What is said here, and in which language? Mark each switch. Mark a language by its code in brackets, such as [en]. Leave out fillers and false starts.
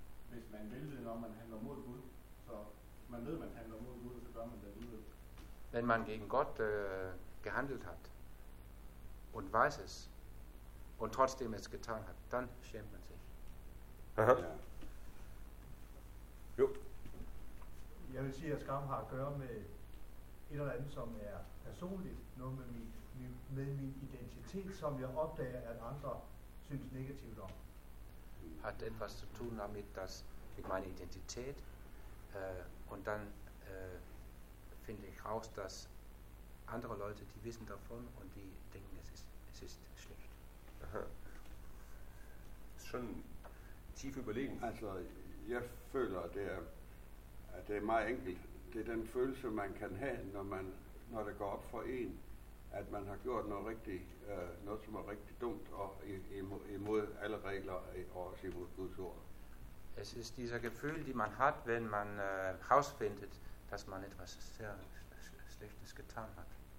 [da] Hvis man vil det, når man handler mod Gud, så man ved, man handler mod Gud, så gør man det alligevel. [de] Wenn man gegen Gott gehandelt hat und weiß es, und trotzdem es getan hat, dann schämt man sich. [da] Aha. Jo. Jeg vil sige, at skam har at gøre med et eller andet, som er personligt, noget med min identitet, som jeg opdager, at andre synes negativt om. Har det [de] etwas zu tun damit, dass mit meiner Identität und dann finde ich raus, dass andere Leute, die wissen davon und die denken, es ist schlecht. Aha. Schon tief überlegen. [da] Also, jeg føler, det er meget enkelt. Det er den følelse, man kan have, når det går op for en, at man har gjort noget rigtig, noget som er rigtig dumt og imod alle regler og også imod Guds ord. [de] Es ist dieser Gefühl, die man hat, wenn man herausfindet, dass man etwas sehr Schlechtes getan hat.